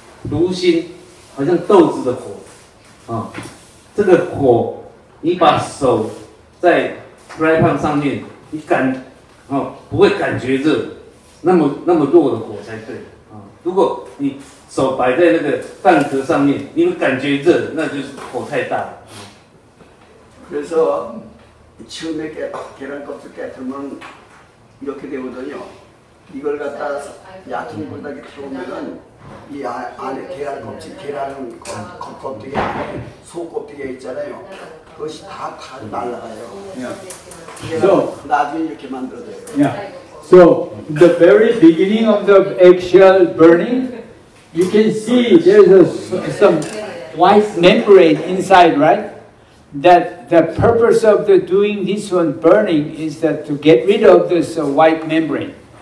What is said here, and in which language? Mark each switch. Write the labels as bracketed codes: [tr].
[zh] 炉心，好像豆子的火啊。这个火，你把手在 fry pan 上面，你感不会感觉热，那么弱的火才对啊。如果你手摆在那个蛋壳上面，你会感觉热，那就是火太大了。 [ko] 그래서 처음에 계란 껍질 깨트면 이렇게 되거든요. 이걸 갖다 얕은 불에다 태우면은 이 안에 계란 껍질, 계란 껍질 안에 속 껍질이 있잖아요. 그것이 다 날라가요. [en] Yeah. So [ko] 나중에 이렇게 만들어요. [en] Yeah. So the very beginning of the eggshell burning, you can see there's some white membrane inside, right? That the purpose of the doing this one burning is that to get rid of this white membrane.